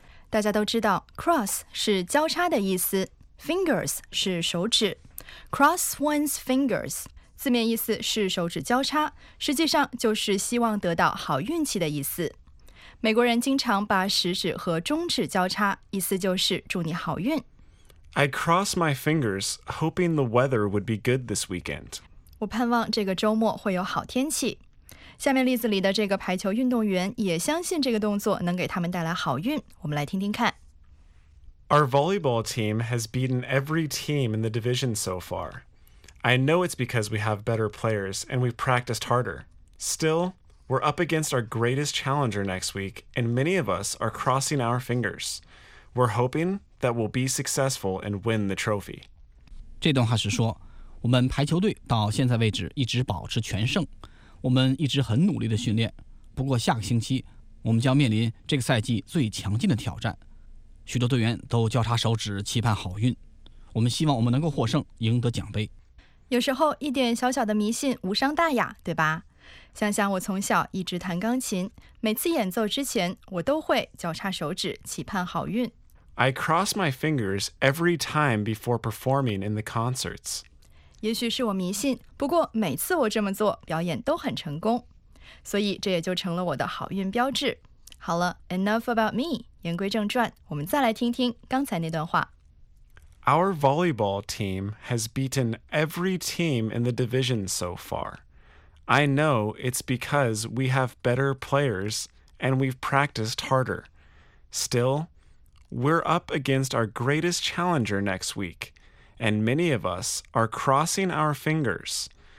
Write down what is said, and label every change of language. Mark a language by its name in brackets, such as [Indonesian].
[Chinese] 大家都知道 cross 是交叉的意思， fingers 是手指。 Cross one's fingers 字面意思是手指交叉，实际上就是希望得到好运气的意思。美国人经常把食指和中指交叉，意思就是祝你好运。 [English] I cross my fingers, hoping the weather would be good this weekend. [Chinese] 我盼望这个周末会有好天气。下面例子里的这个排球运动员也相信这个动作能给他们带来好运，我们来听听看。 [English] Our volleyball team has beaten every team in the division so far. I know it's because we have better players and we've practiced harder. Still... We're up against our greatest challenger next week, and many of us are crossing our fingers. We're hoping that we'll be successful and win the trophy. [Chinese] 这段话是说，我们排球队到现在为止一直保持全胜，我们一直很努力的训练。不过下个星期，我们将面临这个赛季最强劲的挑战。许多队员都交叉手指期盼好运，我们希望我们能够获胜，赢得奖杯。有时候一点小小的迷信无伤大雅，对吧？想想我从小一直弹钢琴，每次演奏之前，我都会交叉手指，期盼好运。 [English] I cross my fingers every time before performing in the concerts. [Chinese] 也许是我迷信，不过每次我这么做，表演都很成功。所以这也就成了我的好运标志。好了, [English] enough about me. [Chinese] 言归正传,我们再来听听刚才那段话。 [English] Our volleyball team has beaten every team in the division so far. I know it's because we have better players and we've practiced harder. Still, we're up against our greatest challenger next week, and many of us are crossing our fingers.